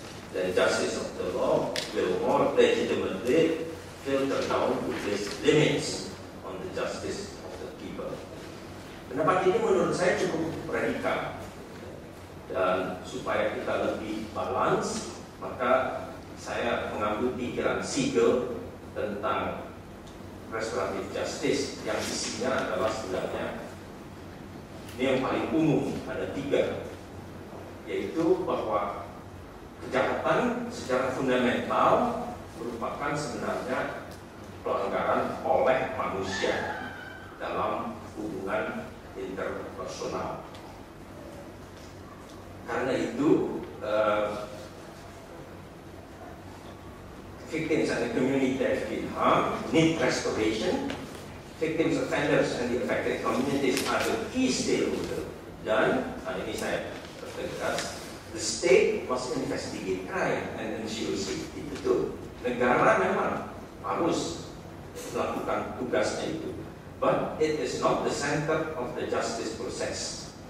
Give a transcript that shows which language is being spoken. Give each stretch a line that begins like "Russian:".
English: Dan justice of the law will more legitimately filter down with its limits on the justice of the people.
Indonesian: Pendapat ini menurut saya cukup radikal. Dan supaya kita lebih balance, maka saya mengambil pikiran Siegel tentang restorative justice yang isinya adalah sebenarnya ini yang paling umum, ada tiga, yaitu bahwa kejahatan secara fundamental merupakan sebenarnya pelanggaran oleh manusia dalam hubungan interpersonal. Karena itu,
English: victims and the community have been harmed, need restoration. Victims, offenders, and the affected communities are the key stakeholder.
Indonesian: Dan, ini saya tegas,
English: the state must investigate crime and ensure safety.
Indonesian: Betul, negara memang harus melakukan tugasnya itu.
English: But it is not the center of the justice process.